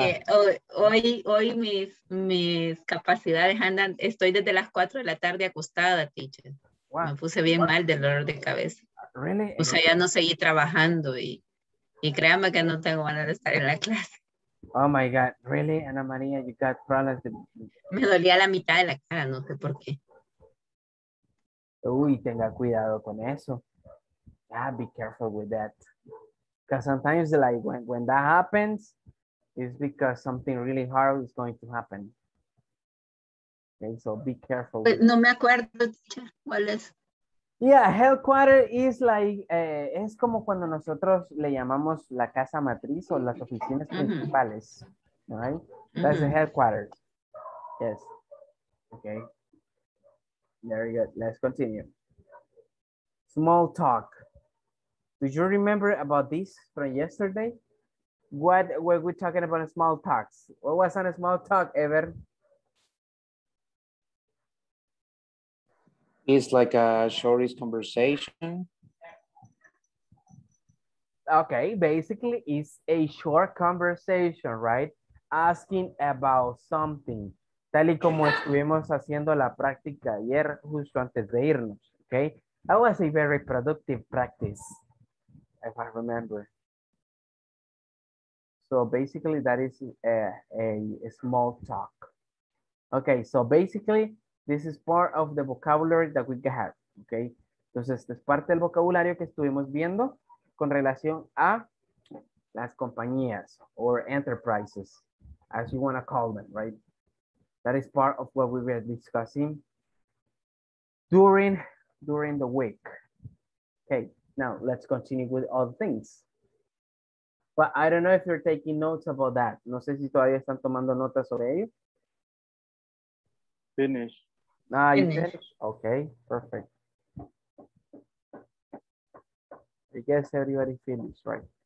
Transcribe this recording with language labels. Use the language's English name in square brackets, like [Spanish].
[Spanish] Hoy mis capacidades andan, estoy desde las 4 de la tarde acostada, teacher. Wow. Me puse bien mal del dolor de cabeza. [English] Really? [Spanish] O sea, ya no seguí trabajando y créame que no tengo ganas de estar en la clase. [English] Oh my God, really, Ana María, you got problems. [Spanish] Me dolía la mitad de la cara, no sé por qué. Uy, tenga cuidado con eso. [English] Yeah, be careful with that. Because sometimes, like, when that happens, it's because something really hard is going to happen. Okay, so be careful. [Spanish] But no me acuerdo, teacher. [English] Yeah, headquarter is like, [Spanish] es como cuando nosotros le llamamos la casa matriz o las oficinas principales. [English] Mm-hmm. Right? That's mm-hmm. the headquarters. Yes. Okay. Very good. Let's continue. Small talk. Do you remember about this from yesterday? What were we talking about in small talks? What was on a small talk, Ever? It's like a shortest conversation. Okay, basically it's a short conversation, right? Asking about something. [Spanish] tal y como estuvimos haciendo la práctica ayer, justo antes de irnos, ¿ok? [English] I was a very productive practice, if I remember. So basically, that is a small talk. Okay, so basically, this is part of the vocabulary that we have, okay? [Spanish] Entonces, esta es parte del vocabulario que estuvimos viendo con relación a las compañías [English] or enterprises, as you want to call them, right? That is part of what we were discussing during the week. Okay, now let's continue with all the things. But I don't know if you're taking notes about that. [Spanish] No sé si todavía están tomando notas sobre ello. [English] Finish. Ah, you finish? Okay, perfect. I guess everybody finished, right?